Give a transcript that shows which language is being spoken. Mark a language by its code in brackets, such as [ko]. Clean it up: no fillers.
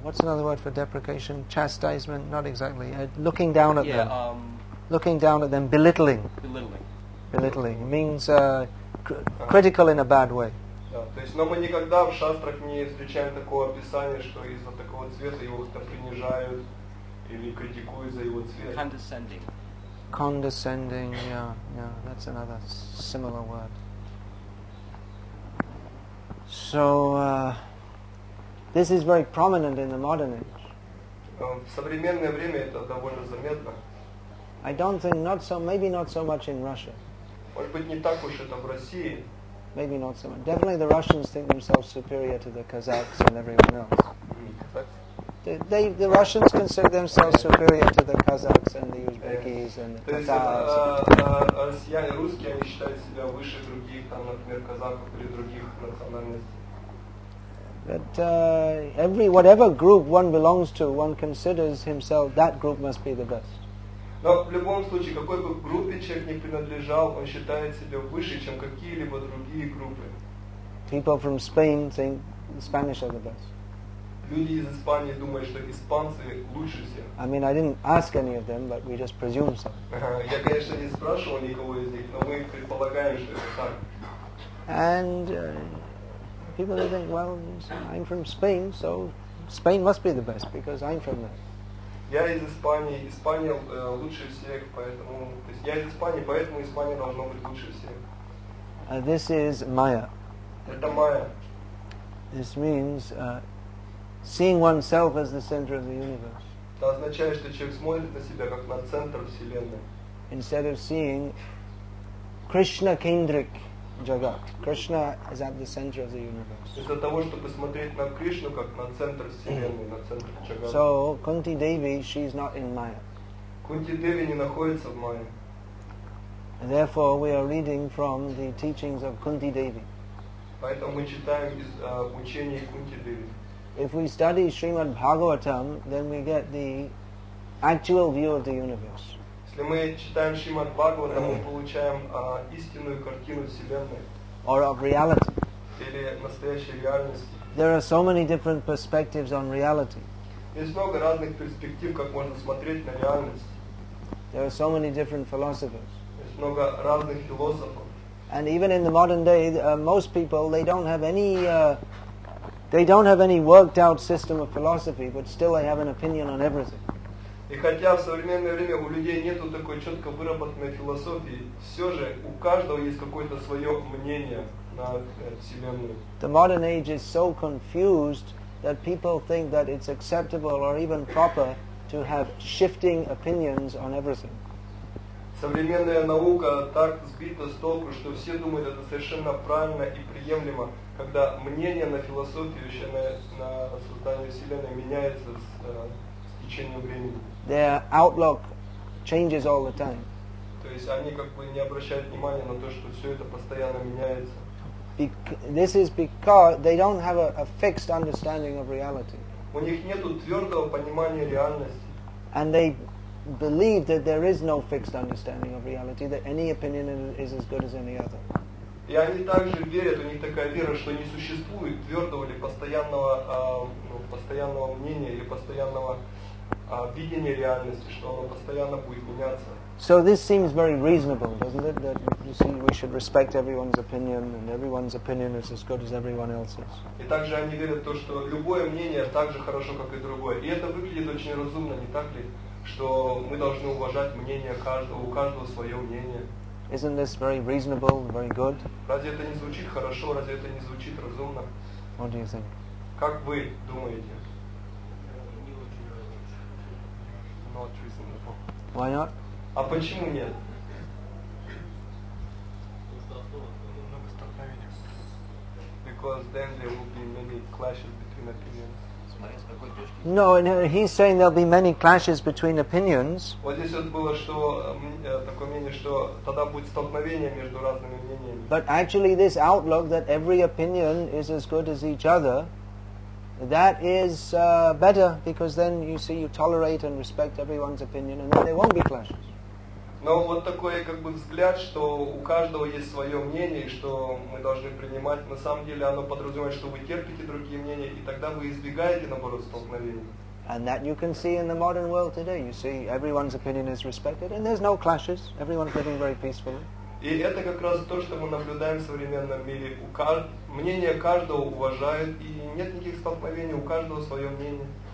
[en] What's another word for deprecation? Chastisement? Not exactly. Looking down at them. Looking down at them, belittling. Belittling. It means critical in a bad way. [ru] То есть, но мы никогда в шастрах не встречаем такого описания, что из-за такого цвета его как-то принижают или критикуют за его цвет. [en] Condescending. Condescending, yeah, that's another similar word. So, this is very prominent in the modern age. [ru] в современное время это довольно заметно. [en] I don't think not so, maybe not so much in Russia. [ru] Может быть, не так уж это в России. [en] Maybe not so much. Definitely the Russians think themselves superior to the Kazakhs and everyone else. The Russians consider themselves superior to the Kazakhs and the Uzbekis and the Tatars. [ru] То есть россияне, русские, они считают себя выше других, там, например, казахов или других национальностей. [en] But every whatever group one belongs to, one considers himself that group must be the best. [ru] Но в любом случае, какой бы группе человек ни принадлежал, он считает себя выше, чем какие-либо другие группы. [en] People from Spain think the Spanish are the best. [ru] Люди из Испании думают, что испанцы лучше всех. [en] I mean, I didn't ask any of them, but we just presume so. [ru] Я, конечно, не спрашивал никого из них, но мы предполагаем, что это так. [en] And people think, well, I'm from Spain, so Spain must be the best, because I'm from there. [ru] Я из Испании, Испания лучше всех, поэтому... То есть я из Испании, поэтому Испания должна быть лучше всех. [en] This is Maya. [ru] Это Maya. [en] This means... seeing oneself as the center of the universe. [ru] Это означает, что человек смотрит на себя как на центр вселенной. [en] Instead of seeing Krishna Kendrik Jagat, Krishna is at the center of the universe. [ru] Из-за того, чтобы смотреть на Кришну как на центр вселенной, на центр Джагата. [en] So Kunti Devi, she is not in Maya. [ru] Кунти Деви не находится в Майе. [en] Therefore, we are reading from the teachings of Kunti Devi. [ru] Поэтому мы читаем из учений Кунти Деви. [en] If we study Srimad Bhagavatam, then we get the actual view of the universe. [ru] Если мы читаем Шримад Бхагаватам, мы получаем истинную картину вселенной. [en] Or of reality. [ru] Или настоящей реальности. [en] There are so many different perspectives on reality. [ru] Есть много разных перспектив, как можно смотреть на реальность. [en] There are so many different philosophers. [ru] Есть много разных философов. [en] And even in the modern day, most people they don't have any. They don't have any worked-out system of philosophy, but still they have an opinion on everything. [ru] И хотя в современное время у людей нету такой четко выработанной философии, все же у каждого есть какое-то свое мнение на вселенную. [en] The modern age is so confused that people think that it's acceptable or even proper to have shifting opinions on everything. [ru] Современная наука так сбита с толку, что все думают, это совершенно правильно и приемлемо. Когда мнение на философию, вообще на создание Вселенной меняется с течением времени. [en] Their outlook changes all the time. [ru] То есть они как бы не обращают внимания на то, что все это постоянно меняется. [en] This is because they don't have a fixed understanding of reality. [ru] У них нету твердого понимания реальности. [en] And they believe that there is no fixed understanding of reality, that any opinion is as good as any other. [ru] И они также верят, у них такая вера, что не существует твердого или постоянного, постоянного мнения или постоянного видения реальности, что оно постоянно будет меняться. [en] So this seems very reasonable, doesn't it? That you see, we should respect everyone's opinion, and everyone's opinion is as good as everyone else's. [ru] И также они верят в то, что любое мнение так же хорошо, как и другое. И это выглядит очень разумно, не так ли? Что мы должны уважать мнение каждого, у каждого свое мнение. [en] Isn't this very reasonable, very good? [ru] Разве это не звучит хорошо? Разве это не звучит разумно? [en] What do you think? [ru] Как вы думаете? [en] Not reasonable. Why not? [ru] А почему нет? [en] Because then there will be many clashes between opinions. No, and he's saying there'll be many clashes between opinions. [ru] Вот здесь вот было, что такое мнение, что тогда будет столкновение между разными мнениями. [en] But actually, this outlook that every opinion is as good as each other, that is better, because then you see you tolerate and respect everyone's opinion, and then there won't be clashes. [ru] Но вот такой как бы взгляд, что у каждого есть свое мнение, что мы должны принимать, на самом деле оно подразумевает, что вы терпите другие мнения, и тогда вы избегаете, наоборот, столкновений. [en] And that you can see in the modern world today. You see, everyone's opinion is respected, and there's no clashes. Everyone's living very peacefully. [ru] И это как раз то, что мы наблюдаем в современном мире. Мнение каждого уважают, и нет никаких столкновений, у каждого свое мнение.